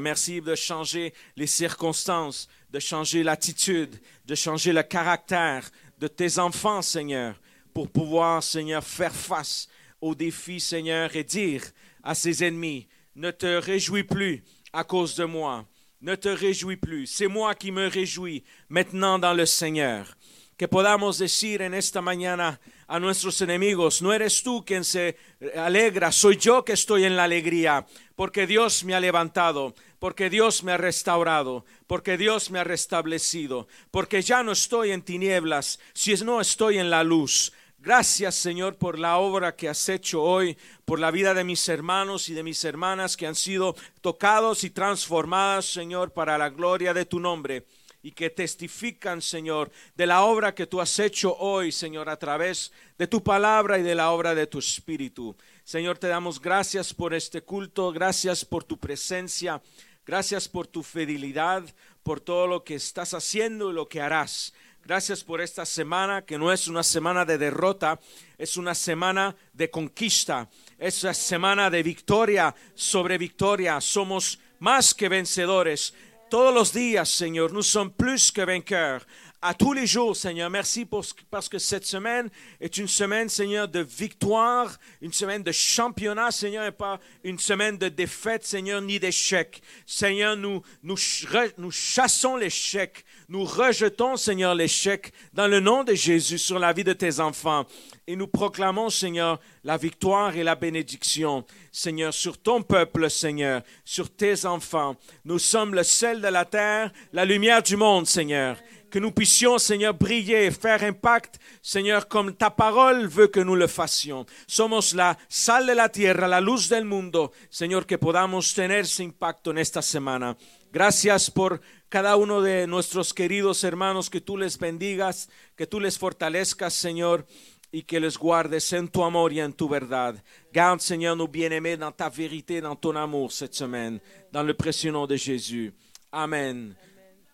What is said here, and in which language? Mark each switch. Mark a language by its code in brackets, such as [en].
[fr] Merci de changer les circonstances, de changer l'attitude, de changer le caractère de tes enfants, Seigneur, pour pouvoir, Seigneur, faire face aux défis, Seigneur, et dire à ses ennemis, « Ne te réjouis plus à cause de moi. » Ne te réjouis plus, c'est moi qui me réjouis maintenant dans le Seigneur. [es] Que podamos decir en esta mañana a nuestros enemigos, no eres tú quien se alegra, soy yo que estoy en la alegría, porque Dios me ha levantado, porque Dios me ha restaurado, porque Dios me ha restablecido, porque ya no estoy en tinieblas, sino estoy en la luz. Gracias, Señor, por la obra que has hecho hoy, por la vida de mis hermanos y de mis hermanas que han sido tocados y transformados, Señor, para la gloria de tu nombre y que testifican, Señor, de la obra que tú has hecho hoy, Señor, a través de tu palabra y de la obra de tu espíritu. Señor, te damos gracias por este culto, gracias por tu presencia, gracias por tu fidelidad, por todo lo que estás haciendo y lo que harás. Gracias por esta semana que no es una semana de derrota, es una semana de conquista, es una semana de victoria sobre victoria. Somos más que vencedores. Todos los días, Señor, [fr] nous sommes plus que vainqueurs. A tous les jours, Seigneur, merci parce que cette semaine est une semaine, Seigneur, de victoire, une semaine de championnat, Seigneur, et pas une semaine de défaite, Seigneur, ni d'échec. Seigneur, nous chassons l'échec, nous rejetons, Seigneur, l'échec dans le nom de Jésus sur la vie de tes enfants. Et nous proclamons, Seigneur, la victoire et la bénédiction, Seigneur, sur ton peuple, Seigneur, sur tes enfants. Nous sommes le sel de la terre, la lumière du monde, Seigneur. Que nous puissions, Seigneur, briller et faire impact, Seigneur, comme ta parole veut que nous le fassions. [es] Somos la sal de la tierra, la luz del mundo, Seigneur, que podamos tener ese impacto en esta semana. Gracias por cada uno de nuestros queridos hermanos, que tú les bendigas, que tú les fortalezcas, Seigneur, y que les guardes en tu amor y en tu verdad. [fr] Garde, Seigneur, nos bien-aimés dans ta vérité, dans ton amour cette semaine, dans le précieux nom de Jésus. Amen. Amen.